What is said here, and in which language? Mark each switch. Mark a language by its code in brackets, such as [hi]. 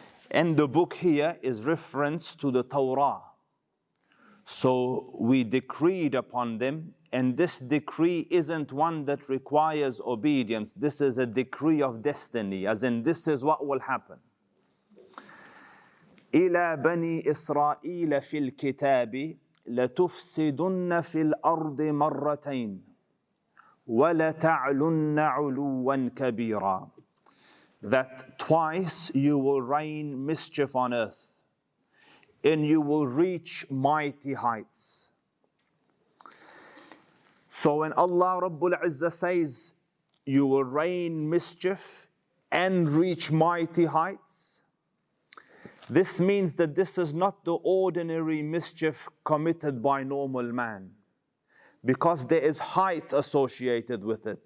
[en] And the book here is reference to the Torah. So we decreed upon them, and this decree isn't one that requires obedience. This is a decree of destiny, as in this is what will happen. [ar] إلى بني إسرائيل في الكتاب لتفسدن في الأرض مرتين ولتعلن علوا كبيرا. [en] That twice you will rain mischief on earth, and you will reach mighty heights. So when Allah Rabbul Izzah says, you will rain mischief and reach mighty heights, this means that this is not the ordinary mischief committed by normal man, because there is height associated with it.